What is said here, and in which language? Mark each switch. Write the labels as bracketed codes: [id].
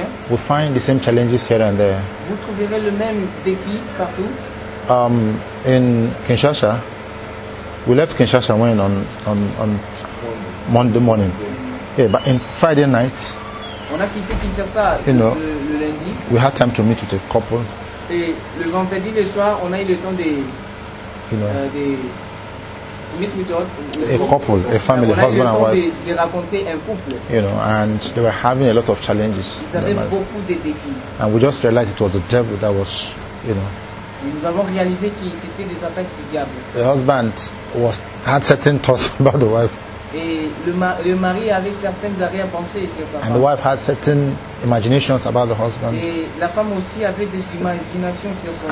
[en] We find the same challenges here and there. [fr] Vous trouverez le même défi partout. [en] In Kinshasa, we left Kinshasa when on Monday morning. Yeah, but in Friday night, [fr] on a quitté Kinshasa, [en] you know, [fr] le lundi. [en] We had time to meet with a couple. [fr] Et le vendredi le soir, on a eu le temps de, [en] you know, a couple, a family, a husband and wife. [fr] De raconter un couple. [en] You know, and they were having a lot of challenges. [fr] Ils avaient beaucoup de défis. [en] And we just realized it was the devil that was, you know. [fr] Nous avons réalisé que c'était des attaques du diable. [en] The husband had certain thoughts about the wife. [fr] Et le mari avait certaines arrière-pensées sur sa femme. [en] And the wife had certain imaginations about the husband. [fr] Et la femme aussi avait des imaginations sur son